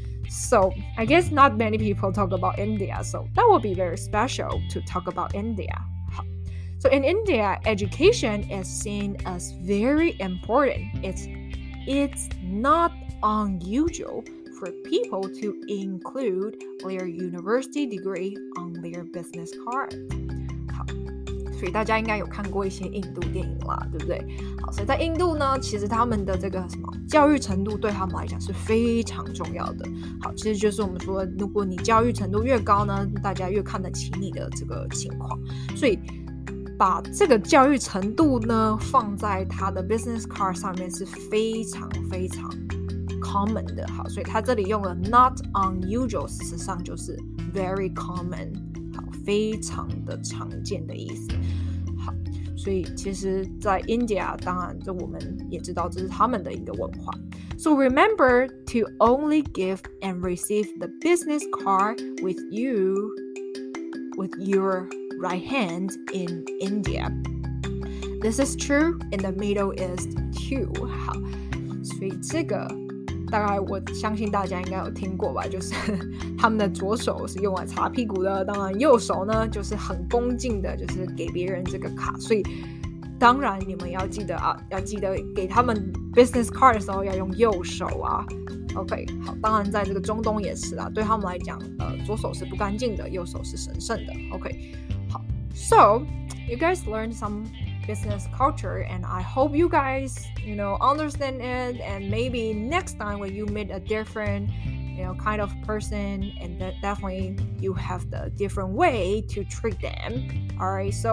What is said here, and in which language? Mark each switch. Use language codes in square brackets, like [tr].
[en] So I guess not many people talk about India, so that would be very special to talk about India。 So in India, education is seen as very important. It's not unusual for people to include their university degree on their business card. [zh] 好，所以大家应该有看过一些印度电影啦，对不对？好，所以在印度呢，其实他们的这个什么教育程度对他们来讲是非常重要的。好，其实就是我们说，如果你教育程度越高呢，大家越看得起你的这个情况。所以把这个教育程度呢放在他的 business card 上面是非常非常 common 的。好，所以他这里用了 [en] not unusual， [zh] 事实上就是 [en] very common， [zh] 好，非常的常见的意思。好，所以其实在 India， 当然就我们也知道这是他们的一个文化。 [en] So remember to only give and receive the business card with you with your right hand in India. This is true in the Middle East too. [zh] 好，所以这个大概我相信大家应该有听过吧，就是他们的左手是用来擦屁股的，当然右手呢就是很恭敬的就是给别人这个卡。所以当然你们要记得啊，要记得给他们 business card 的时候要用右手啊。 OK， 好，当然在这个中东也是啦，对他们来讲左手是不干净的，右手是神圣的。 [en] OK， [zh] 好， [en] So you guys learned some business culture and I hope you guys, you know, understand it, and maybe next time when you meet a different, you know, kind of person, and that definitely you have the different way to treat them. Alright, so well, hope you guys enjoy this topic and we'll see you next time. Take care.